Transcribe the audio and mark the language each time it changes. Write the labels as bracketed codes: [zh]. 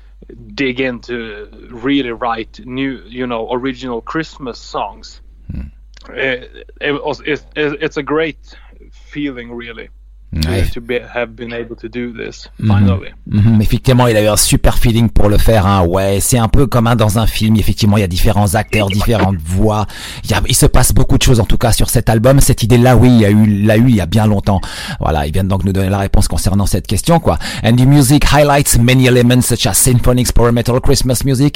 [en] dig into really write new, you know, original Christmas songs. Mm. It's a great feeling, really. Ouais. To have been able to do this, finally. [fr] Mm-hmm. Mm-hmm. Effectivement, il a eu un super feeling pour le faire. Hein. Ouais, c'est un peu comme dans un film. Effectivement, il y a différents acteurs, différentes voix. Il se passe beaucoup de choses, en tout cas, sur cet album. Cette idée-là, oui, il l'a eu il y a bien longtemps. Voilà, il vient donc nous donner la réponse concernant cette question, quoi. [en] And the music highlights many elements such as symphonics, power metal, Christmas music.